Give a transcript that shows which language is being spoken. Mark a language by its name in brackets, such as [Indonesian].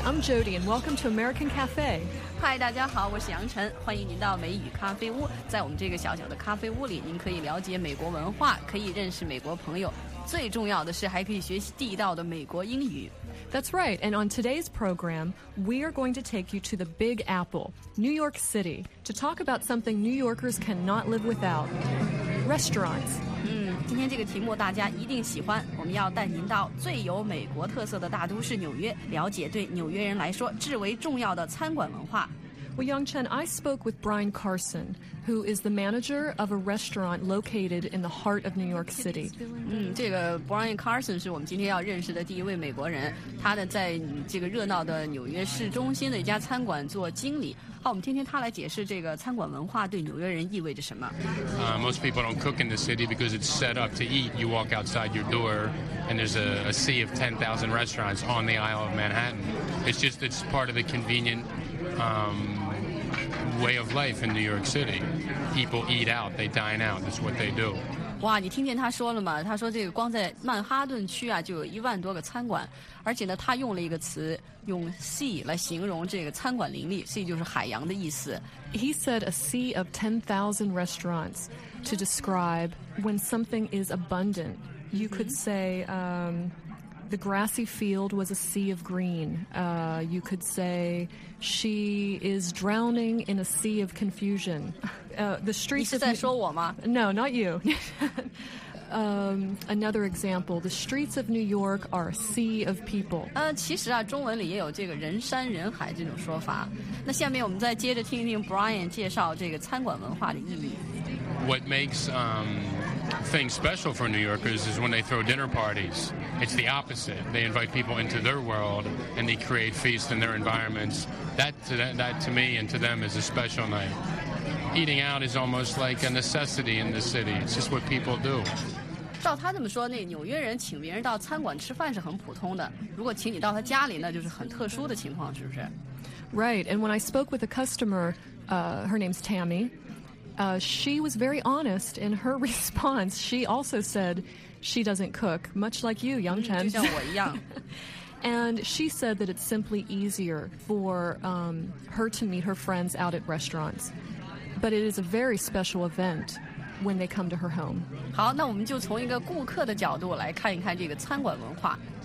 [English] I'm Jody, and welcome to American Cafe. [Chinese] Hi, 大家好，我是杨晨，欢迎您到美语咖啡屋。在我们这个小小的咖啡屋里，您可以了解美国文化，可以认识美国朋友，最重要的是还可以学习地道的美国英语。 [English] That's right. And on today's program, we are going to take you to the Big Apple, New York City, to talk about something New Yorkers cannot live without: restaurants. [Chinese] 今天这个题目大家一定喜欢，我们要带您到最有美国特色的大都市纽约，了解对纽约人来说至为重要的餐馆文化。 [English] Well, Yangchen, I spoke with Brian Carson, who is the manager of a restaurant located in the heart of New York City. [Chinese] 这个 Brian Carson 是我们今天要认识的第一位美国人，他的在这个热闹的纽约市中心的一家餐馆做经理。好，我们听听他来解释这个餐馆文化对纽约人意味着什么。 [English] Most people don't cook in the city because it's set up to eat. You walk outside your door, and there's a sea of 10,000 restaurants on the Isle of Manhattan. It's part of the convenient... way of life in New York City. People eat out, they dine out, that's what they do. [Chinese] 哇，你听见他说了吗？他说这个光在曼哈顿区啊，就有一万多个餐馆，而且呢，他用了一个词，用 sea 来形容这个餐馆林立。 sea 就是海洋的意思。 [English] He said a sea of 10,000 restaurants to describe when something is abundant. You could say, The grassy field was a sea of green. You could say she is drowning in a sea of confusion. The streets. [Chinese] 你是在说我吗？ [English] No, not you. another example: the streets of New York are a sea of people. [Chinese] 其实啊，中文里也有这个人山人海这种说法。那下面我们再接着听一听 Brian 介绍这个餐馆文化的意义。 [English] What makes things special for New Yorkers is when they throw dinner parties. It's the opposite. They invite people into their world and they create feasts in their environments. That to me and to them is a special night. Eating out is almost like a necessity in the city. It's just what people do. [Chinese] 照他这么说，那纽约人请别人到餐馆吃饭是很普通的，如果请你到他家里，那就是很特殊的情况，是不是？ [English] Right. And when I spoke with a customer, her name's Tammy. She was very honest in her response. She also said she doesn't cook, much like you, Yangchen. [Chinese] 就像我一样。 [English] And she said that it's simply easier for her to meet her friends out at restaurants. But it is a very special event when they come to her home. [Chinese] 好，那我们就从一个顾客的角度来看一看这个餐馆文化。